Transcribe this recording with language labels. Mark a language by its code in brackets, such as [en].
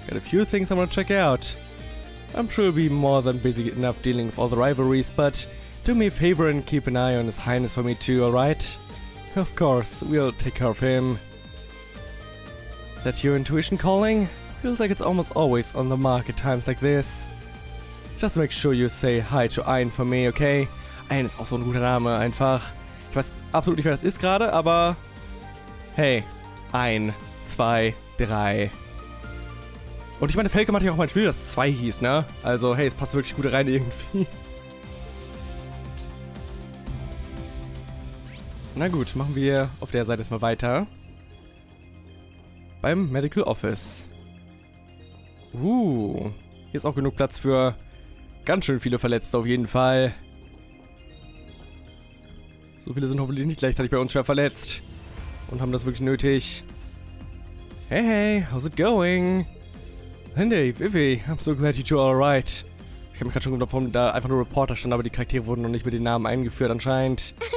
[en] Got a few things I want to check out. I'm sure we'll be more than busy enough dealing with all the rivalries, but do me a favor and keep an eye on His Highness for me too, alright? Of course, we'll take care of him. That your intuition calling? Feels like it's almost always on the mark at times like this. Just make sure you say hi to Ayn for me, okay? [de] Ayn ist auch so ein guter Name, einfach. Ich weiß absolut nicht, wer das ist gerade, aber... Hey, 1, 2, 3. Und ich meine, Felke hatte ja auch mal ein Spiel, das 2 hieß, ne? Also, hey, es passt wirklich gut rein irgendwie. Na gut, machen wir auf der Seite erstmal weiter. Beim Medical Office. Hier ist auch genug Platz für ganz schön viele Verletzte auf jeden Fall. So viele sind hoffentlich nicht gleichzeitig bei uns schwer verletzt. Und haben das wirklich nötig. [en] Hey, hey, how's it going? Lindy, Vivi, I'm so glad you two are alright. [de] Ich habe mich gerade schon gewundert, warum da einfach nur Reporter stand, aber die Charaktere wurden noch nicht mit den Namen eingeführt anscheinend.